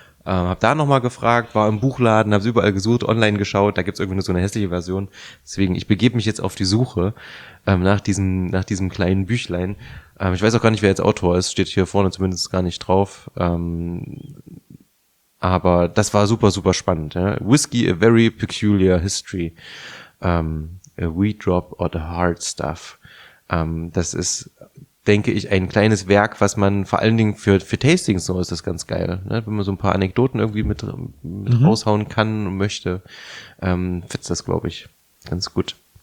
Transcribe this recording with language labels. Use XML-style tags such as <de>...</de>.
<de>Habe da nochmal gefragt, war im Buchladen, habe sie überall gesucht, online geschaut, da gibt's irgendwie nur so eine hässliche Version. Deswegen, ich begebe mich jetzt auf die Suche nach diesem kleinen Büchlein. Ich weiß auch gar nicht, wer jetzt Autor ist, steht hier vorne zumindest gar nicht drauf. Aber das war super, super spannend. Ja?</de> <en>Whiskey, a very peculiar history. A wee drop or the hard stuff.</en> <de>Das ist, denke ich, ein kleines Werk, was man vor allen Dingen für Tastings so ist das ganz geil. Ne? Wenn man so ein paar Anekdoten irgendwie mit raushauen kann und möchte, fetzt das, glaube ich, ganz gut.</de>